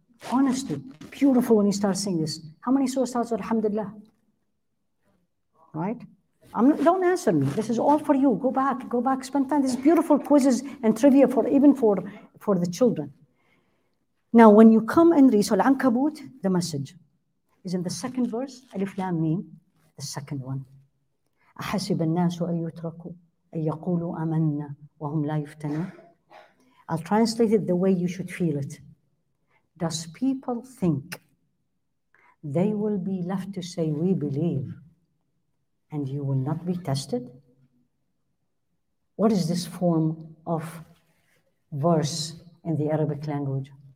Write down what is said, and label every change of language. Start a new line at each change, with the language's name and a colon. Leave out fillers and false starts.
English: Honestly, beautiful when you start saying this. How many surahs starts with Alhamdulillah? Right? Don't answer me. This is all for you. Go back, spend time. This is beautiful quizzes and trivia for the children. Now, when you come and read, so العنكبوت, the message is in the second verse, Alif Lam Mim, the second one.
Arabic: أحسب الناس أن يتركوا أن يقولوا آمنا وهم لا يفتنون.
English: I'll translate it the way you should feel it. Does people think they will be left to say, we believe, and you will not be tested? What is this form of verse in the Arabic language?